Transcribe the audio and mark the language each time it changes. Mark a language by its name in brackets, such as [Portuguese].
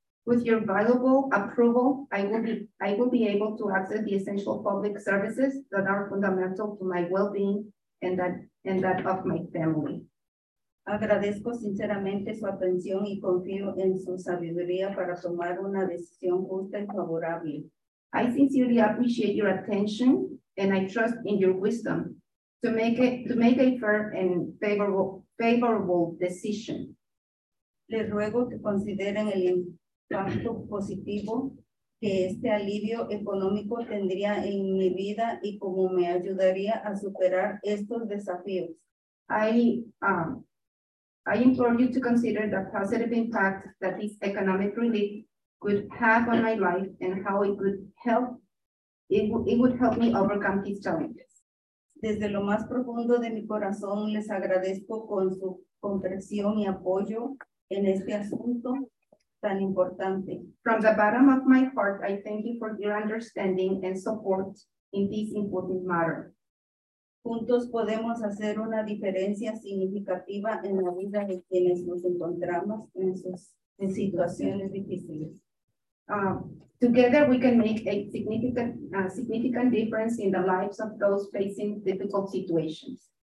[English] With your valuable approval, I will be able to access the essential public services that are fundamental to my well-being and that of my family. [Spanish] Agradezco sinceramente su atención y confío en su sabiduría para tomar una decisión justa y favorable. [English] I sincerely appreciate your attention and I trust in your wisdom. To make a firm and favorable decision. [Spanish] Les ruego que consideren el impacto positivo que este alivio económico tendría en mi vida y cómo me ayudaría a superar estos desafíos. [English] I implore you to consider the positive impact that this economic relief could have on my life and how it could help. It would help me overcome these challenges. [Spanish] Desde lo más profundo de mi corazón, les agradezco con su comprensión y apoyo en este asunto tan importante. [English] From the bottom of my heart, I thank you for your understanding and support in this important matter. [Spanish] Juntos podemos hacer una diferencia significativa en la vida de quienes nos encontramos en situaciones difíciles. [English] Together we can make a significant difference in the lives of those facing difficult situations.